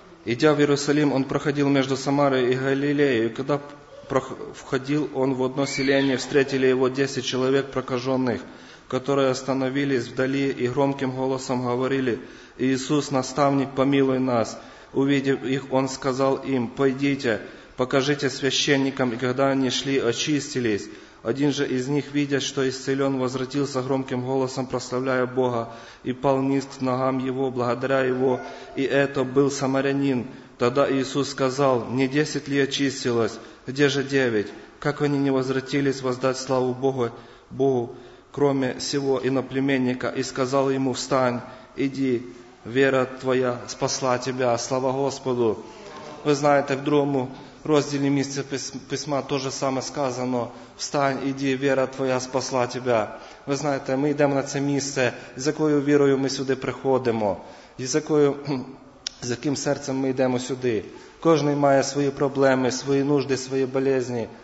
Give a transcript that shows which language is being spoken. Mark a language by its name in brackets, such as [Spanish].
[Ukrainian] «Ідя в Єрусалим, он проходив між Самарою і Галілеєю, і коли входив он в одно селення, встретили його 10 чоловік прокажених, які остановились вдалі і громким голосом говорили: «Ісус, наставник, помилуй нас». Увидів їх, он сказав їм: «Пойдіть, покажіть священникам». І коли вони йшли, очистились. [Russian] Один же из них, видя, что исцелен, возвратился громким голосом, прославляя Бога, и пал низ к ногам его, благодаря его, и это был самарянин. Тогда Иисус сказал: «Не 10 ли очистилось? Где же 9? Как они не возвратились воздать славу Богу, кроме сего иноплеменника?» И сказал ему: «Встань, иди, вера твоя спасла тебя». Слава Господу! Вы знаете, [Ukrainian] в другому роздільні місця письма теж саме сказано: «Встань, іди, віра твоя спасла тебе». Ви знаєте, ми йдемо на це місце, з якою вірою ми сюди приходимо, і з яким серцем ми йдемо сюди. Кожен має свої проблеми, свої нужди, свої болезні.